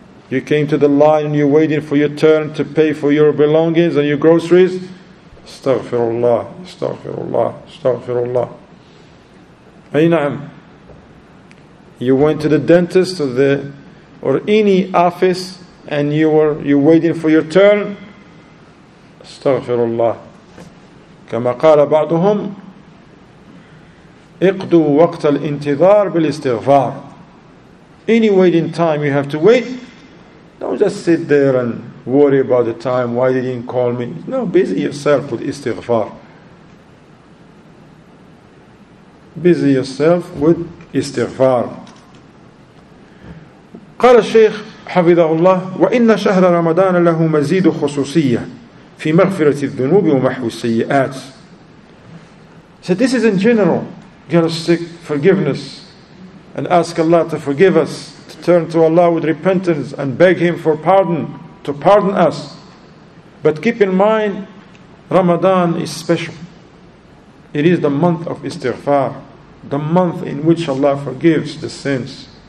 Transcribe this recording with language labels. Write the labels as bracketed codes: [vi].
[en] You came to the line and you're waiting for your turn to pay for your belongings and your groceries. [ar] استغفر الله استغفر الله استغفر الله. أي نعم. [en] You went to the dentist or the or any office and you're waiting for your turn. [ar] استغفر الله. كما قال بعضهم اقضوا وقت الانتظار بالاستغفار. [en] Any waiting time you have to wait, don't just sit there and worry about the time, why they didn't call me. No, busy yourself with istighfar. Busy yourself with istighfar. [ar] قال الشيخ حفظه الله وإن شهر رمضان له مزيد خصوصية في مغفرة الذنوب ومحو السيئات. [en] So this is in general, get us sick, forgiveness and ask Allah to forgive us, to turn to Allah with repentance and beg Him for pardon, to pardon us. But keep in mind, Ramadan is special. It is the month of istighfar, the month in which Allah forgives the sins.